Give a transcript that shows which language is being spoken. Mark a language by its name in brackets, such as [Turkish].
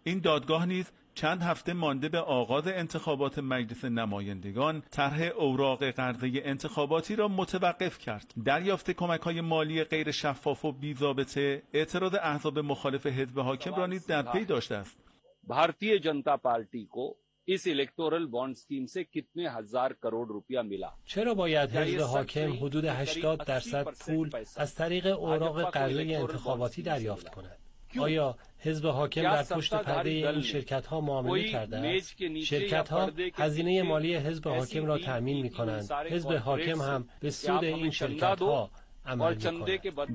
[Persian] این دادگاه نیز چند هفته مانده به آغاز انتخابات مجلس نمایندگان طرح اوراق قرضه انتخاباتی را متوقف کرد. دریافت کمک‌های مالی غیر شفاف و بی‌ضابطه اعتراض احزاب مخالف حزب حاکم را نیز در پی داشته است. [Urdu] بھارتی جنتا پارٹی کو اس الیکتورال بانڈ اسکیم سے کتنے ہزار کروڑ روپیہ ملا؟ [Persian] چرا باید حزب حاکم حدود 80 درصد پول از طریق اوراق قرضه انتخاباتی دریافت کند؟ آیا حزب حاکم در پشت پرده این شرکت ها معامله کرده است؟ شرکت ها هزینه مالی حزب حاکم را تامین می کنند. حزب حاکم هم به سود این شرکت ها عمل می کند.